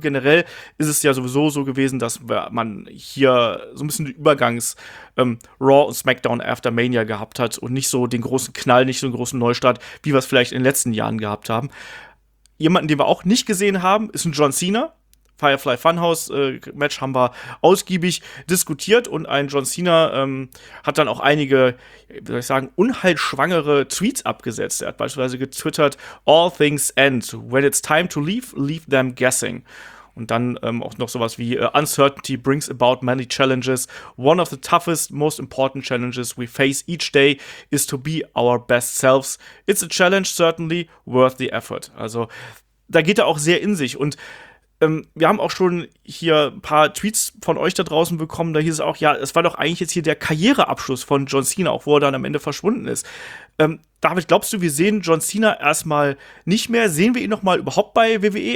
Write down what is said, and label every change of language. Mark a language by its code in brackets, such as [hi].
[de] Generell ist es ja sowieso so gewesen, dass man hier so ein bisschen den Übergangs Raw und SmackDown After Mania gehabt hat und nicht so den großen Knall, nicht so einen großen Neustart, wie wir es vielleicht in den letzten Jahren gehabt haben. Jemanden, den wir auch nicht gesehen haben, ist ein John Cena. Firefly Funhouse Match haben wir ausgiebig diskutiert und ein John Cena hat dann auch einige, wie soll ich sagen, unheilschwangere Tweets abgesetzt. Er hat beispielsweise getwittert: [en] All things end. When it's time to leave, leave them guessing. Und dann auch noch sowas wie Uncertainty brings about many challenges. One of the toughest, most important challenges we face each day is to be our best selves. It's a challenge, certainly worth the effort. [de] Also da geht er auch sehr in sich. Und wir haben auch schon hier ein paar Tweets von euch da draußen bekommen. Da hieß es auch, ja, es war doch eigentlich jetzt hier der Karriereabschluss von John Cena, auch wo er dann am Ende verschwunden ist. David, glaubst du, wir sehen John Cena erstmal nicht mehr? Sehen wir ihn nochmal überhaupt bei WWE?